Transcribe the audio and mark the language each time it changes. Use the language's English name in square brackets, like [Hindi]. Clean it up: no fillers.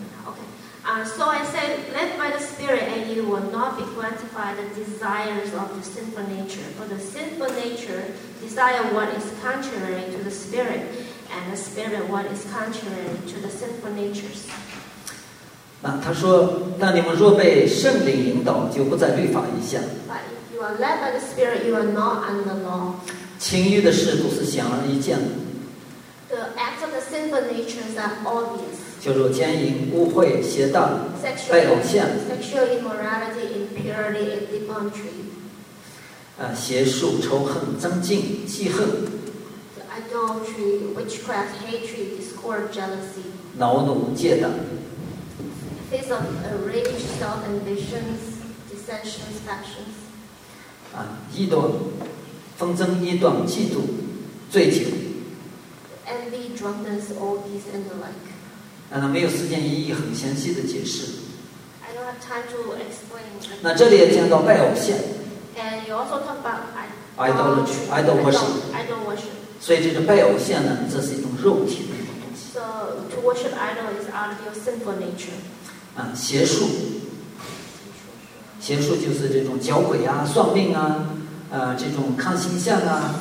[English] Okay. So I said, led by the Spirit, and you will not be gratified the desires of the sinful nature. For the sinful nature desire what is contrary to the Spirit, and the Spirit what is contrary to the sinful natures. [Chinese] 那他说，但你们若被圣灵引导，就不在律法以下。 [English] But if you are led by the Spirit, you are not under the law. [Chinese] 情欲的事都是显而易见的。 [English] The acts of the sinful natures are obvious. [Chinese] 就如奸淫、污秽、邪道、拜偶像、 [English] sexual immorality, impurity, and debauchery. [Chinese] 邪术、仇恨、增进、记恨。 [English] The idolatry, witchcraft, hatred, discord, jealousy. [Chinese] 恼怒、芥蒂。 [English] face of rage, self ambitions, dissensions, factions. [Chinese] 啊，异端、纷争、异端、嫉妒、醉酒。 [English] Envy, drunkenness, all these and the like. [Chinese] 那没有时间一一很详细的解释。 [English] I don't have time to explain. [Chinese] 那这里也讲到拜偶像。 [English] And you also talk about idolatry, idol worship. Idol worship. [Chinese] 所以这个拜偶像呢，这是一种肉体的。 [English] So, to worship idol is out of your sinful nature. [Chinese] 啊，邪术，邪术就是这种搅鬼啊、算命啊、这种看星象啊。